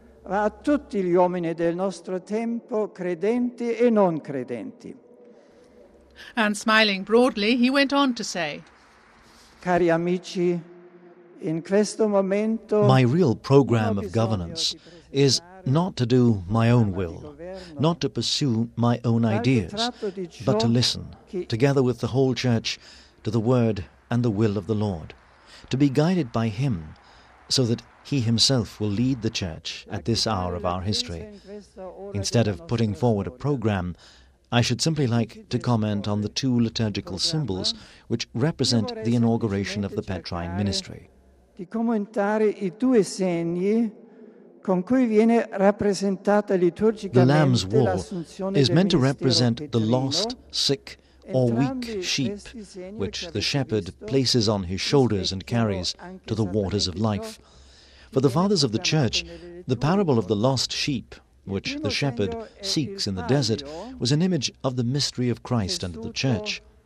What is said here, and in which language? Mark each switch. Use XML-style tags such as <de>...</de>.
<it>A tutti gli uomini del nostro tempo, credenti e non credenti.</it> <en>And smiling broadly, he went on to say,</en> <it>cari amici, in questo momento,</it> <en>my real program of governance is not to do my own will, not to pursue my own ideas, but to listen, together with the whole Church, to the word and the will of the Lord, to be guided by Him, so that He Himself will lead the Church at this hour of our history. Instead of putting forward a program, I should simply like to comment on the two liturgical symbols which represent the inauguration of the Petrine ministry.</en> <it>Di commentare i due segni con cui viene rappresentata liturgicamente</it> <en>the lamb's wool is meant to represent the lost, sick, or weak sheep, which the shepherd places on his shoulders and carries to the waters of life. For the fathers of the Church, the parable of the lost sheep, which the shepherd seeks in the desert, was an image of the mystery of Christ and the Church.</en>